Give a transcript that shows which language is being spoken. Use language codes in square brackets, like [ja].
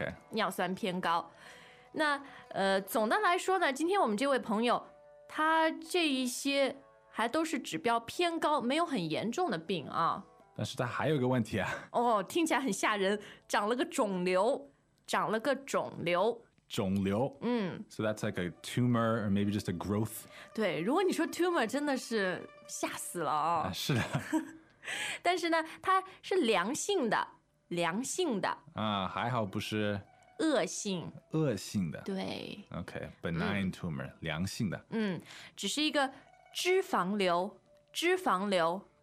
[zh] 尿酸偏高。那总的来说呢，今天我们这位朋友他这一些还都是指标偏高，没有很严重的病啊。但是他还有个问题啊。哦，听起来很吓人，长了个肿瘤。长了个肿瘤。肿瘤，嗯， [en] so that's like a tumor or maybe just a growth. [zh] 对，如果你说 tumor 真的是吓死了、哦、啊！是的，但是呢，它是良性的，良性的啊，还好不是恶性，恶性的，对 [en] ，OK， benign tumor、 [zh] 嗯、良性的，嗯，只是一个脂肪瘤，脂肪瘤